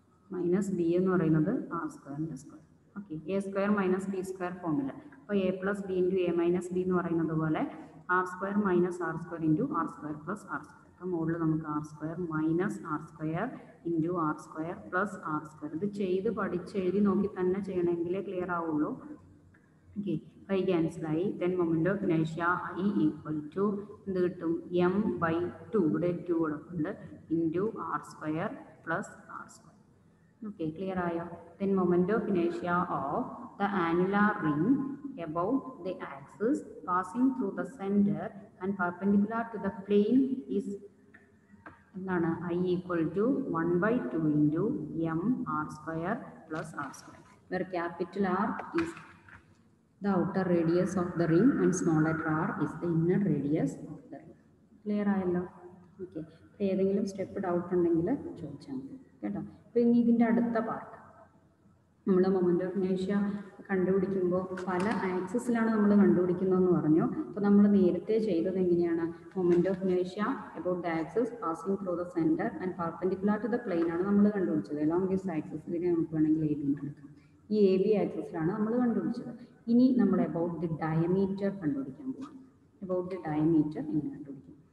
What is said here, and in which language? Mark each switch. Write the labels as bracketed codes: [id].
[ml] Minus B എന്ന് പറയുന്നത് R സ്ക്വയറിൻ്റെ square okay A square minus B square ഫോമില്ല അപ്പോൾ A plus B into A minus B എന്ന് പറയുന്നത് പോലെ R square minus R square into R square plus R square അപ്പോൾ മുകളിൽ നമുക്ക് R square minus R square into R square plus R square ഇത് ചെയ്ത് പഠിച്ചെഴുതി നോക്കി തന്നെ ചെയ്യണമെങ്കിലേ ക്ലിയർ ആവുള്ളൂ okay [en] by cancel I, then moment of inertia I equal to m by 2 into r square plus r square. Okay, [ml] clear aya? [en] Then moment of inertia of the annular ring about the axis passing through the center and perpendicular to the plane is I equal to 1 by 2 into m r square plus r square. Where capital R is the outer radius of the ring and small letter r is the inner radius of the ring. [ml] Clear ayallo? [en] Okay. [ml] Appo edengilum step doubt undengile chodicham ketta. Appo ini idinte adutha part nammal moment of inertia കണ്ടുപിടിക്കുമ്പോൾ പല ആക്സിസിലാണ് നമ്മൾ കണ്ടുപിടിക്കുന്നതെന്ന് പറഞ്ഞു. അപ്പോൾ നമ്മൾ നേരത്തെ ചെയ്തത് എങ്ങനെയാണ്? [en] moment of inertia about the axis passing through the centre and perpendicular to the plane [ml] ആണ് നമ്മൾ കണ്ടുപിടിച്ചത്. അലോങ് ദിസ് ആക്സിസ് ഇതിനെ നമുക്ക് വേണമെങ്കിൽ എ ബി എടുക്കാം. ഈ എ ബി ആക്സിസിലാണ് നമ്മൾ കണ്ടുപിടിച്ചത്. ഇനി നമ്മൾ അബൌട്ട് ദി ഡയമീറ്റർ കണ്ടുപിടിക്കാൻ പോകാം. അബൌട്ട് ദി ഡയമീറ്റർ എങ്ങനെ കണ്ടുപിടിക്കും?